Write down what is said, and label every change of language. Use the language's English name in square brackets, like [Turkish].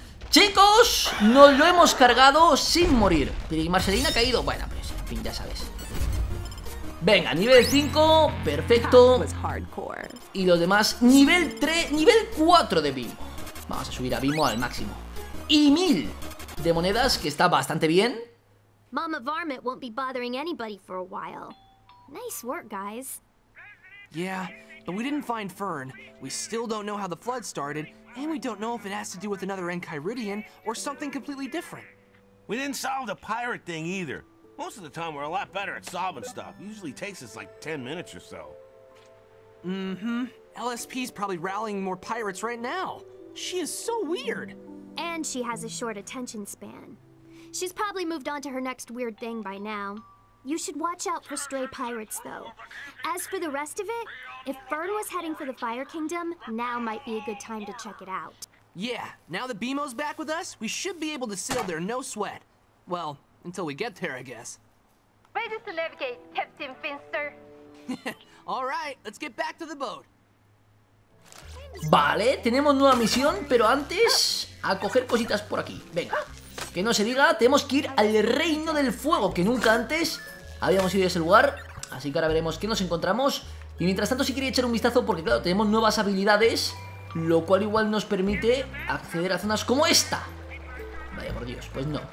[Spanish] Chicos, nos lo hemos cargado sin morir. Y Marcelina ha caído. Bueno, pues en fin, ya sabes. Venga, nivel 5, perfecto. Y los demás, nivel 3, nivel 4 de Vimo. Vamos a subir a Vimo al máximo. Y 1000 de monedas, que está bastante bien. [English] Mama Varmit won't be bothering anybody for a while. Nice work, guys. Yeah, but we didn't find Fern. We still don't know how the flood started, and we don't know if it has to do with another Enchiridion or something completely different. We didn't solve the pirate thing either. Most of the time, we're a lot better at solving stuff. Usually takes us like 10 minutes or so. Mm-hmm. LSP's probably rallying more pirates right now. She is so weird. And she has a short attention span. She's probably moved on to her next weird thing by now. You should watch out for stray pirates, though. As for the rest of it, if Fern was heading for the Fire Kingdom, now might be a good time to check it out. Yeah, now that BMO's back with us, we should be able to sail there no sweat. Well... until we get there, I guess. Ready to navigate, Captain Finster. All right, let's get back to the boat. [Spanish] Vale, tenemos nueva misión, pero antes a coger cositas por aquí. Venga, que no se diga, tenemos que ir al Reino del Fuego, que nunca antes habíamos ido a ese lugar. Así que ahora veremos qué nos encontramos. Y mientras tanto sí quería echar un vistazo porque, claro, tenemos nuevas habilidades, lo cual igual nos permite acceder a zonas como esta. Vaya por Dios, pues no.